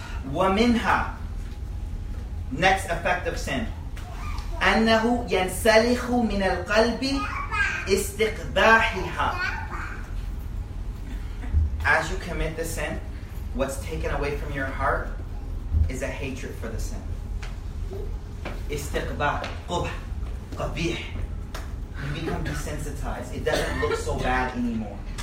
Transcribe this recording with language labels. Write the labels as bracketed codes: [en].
[en] وَمِنْهَا Next effect of sin. [ar] أَنَّهُ يَنْسَلِخُ مِنَ الْقَلْبِ استقباحها. [en] As you commit the sin, what's taken away from your heart is a hatred for the sin. Istiqbah, qubh, qabih. You become desensitized. It doesn't look so bad anymore.